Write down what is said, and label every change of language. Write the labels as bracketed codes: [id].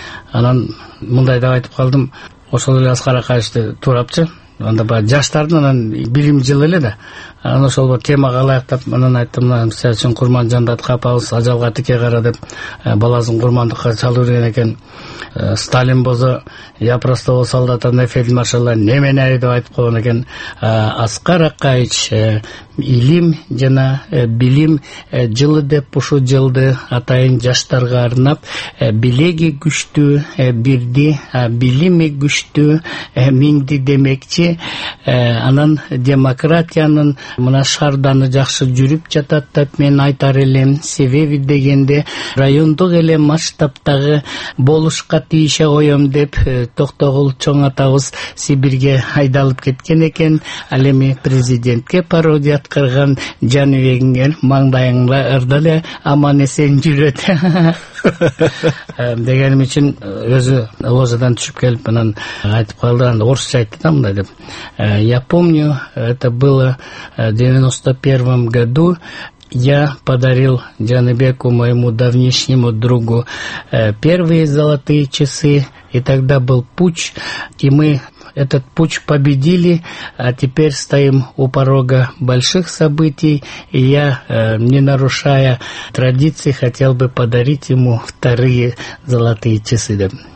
[ky] Анан мындай деп айтып калдым, ошол эле Аскар Акаевичти туурапчы, анда баягы жаштардын анан билим жылы эле да, анан ошол темага ылайык деп анан айттым, мына мисалы үчүн Курманжан датка апабыз ажалга тике кара деп баласын курмандыкка чалып берген экен. Сталин болсо [ru] Я простого солдата на фельдмаршала [ky] немени ай деп айтып койгон экен. Аскар Акаевич илим жана билим жылы деп ушул жылды атайын жаштарга арнап, билеги күчтүү бирди, билими күчтүү миңди демекчи. Анан демократиянын мына шаарданы жакшы жүрүп жатат деп мен айтар элем. Себеби дегенде райондук эле масштабтагы болушка тийише коем деп Токтогул чоң атабыз Сибирге айдалып кеткен экен. Ал эми президентке пародия аткарган Жаныбегиңер маңдайыңда ырда эле аман эсен жүрөт дегеним үчүн өзү ложадан түшүп келип анан айтып калды, анан орусча айтты да мындай деп. [ru] Я помню, это было в 91-м году. Я подарил Джанабеку, моему давнишнему другу, первые золотые часы, и тогда был путч, и мы этот путч победили, а теперь стоим у порога больших событий, и я, не нарушая традиции, хотел бы подарить ему вторые золотые часы.